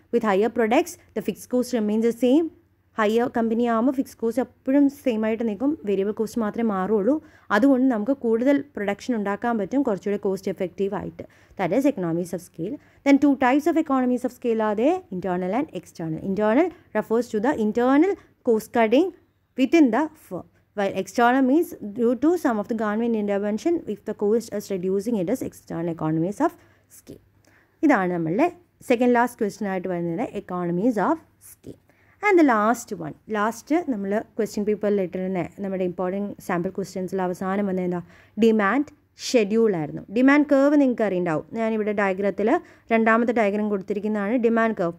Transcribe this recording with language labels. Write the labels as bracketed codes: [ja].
[en] With higher products the fixed cost remains the same. [ml] Higher company ആകുമ്പോൾ fixed cost എപ്പോഴും same ആയിട്ട് നിൽക്കും, variable cost മാത്രമേ മാറുള്ളൂ. അതുകൊണ്ട് നമുക്ക് കൂടുതൽ പ്രൊഡക്ഷൻ ഉണ്ടാക്കാൻ പറ്റും കുറച്ചുകൂടെ കോസ്റ്റ് എഫക്റ്റീവ് ആയിട്ട്. [en] That is economies of scale. Then two types of economies of scale are they, internal and external. Internal refers to the internal cost cutting within the firm. Well, external means due to some of the government intervention, if the cost is reducing, it is external economies of scale. [ml] ഇതാണ് നമ്മളുടെ second last question ആയിട്ട് വരുന്നത്, economies of scale. [en] and the last one, [ml] last നമ്മൾ question പേപ്പറിൽ ഇട്ടിരുന്ന നമ്മുടെ important sample ക്വസ്റ്റ്യൻസിൽ അവസാനം വന്നത് എന്താ, ഡിമാൻഡ് ഷെഡ്യൂൾ ആയിരുന്നു. ഡിമാൻഡ് കർവ് നിങ്ങൾക്ക് അറിയുണ്ടാവും. ഞാനിവിടെ ഡയഗ്രത്തിൽ രണ്ടാമത്തെ ഡയഗ്രം കൊടുത്തിരിക്കുന്നതാണ് ഡിമാൻഡ് കർവ്.